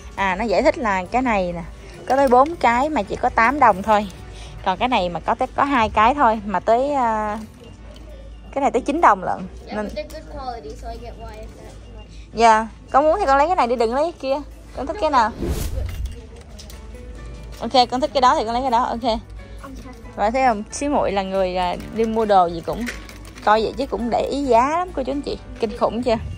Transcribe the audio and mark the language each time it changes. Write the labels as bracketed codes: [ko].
[vi] À, nó giải thích là cái này nè, có tới 4 cái mà chỉ có 8 đồng thôi. Còn cái này mà có tới có 2 cái thôi mà tới cái này tới 9 đồng lận. Yeah, nên... [en] they're good quality, so I get why it's that much. Yeah. [vi] Con muốn thì con lấy cái này đi, đừng lấy cái kia. Con thích cái nào? Ok, con thích cái đó thì con lấy cái đó. Ok. Và thấy không, xí muội là người đi mua đồ gì cũng coi vậy chứ cũng để ý giá lắm cô chú anh chị. Kinh khủng chưa?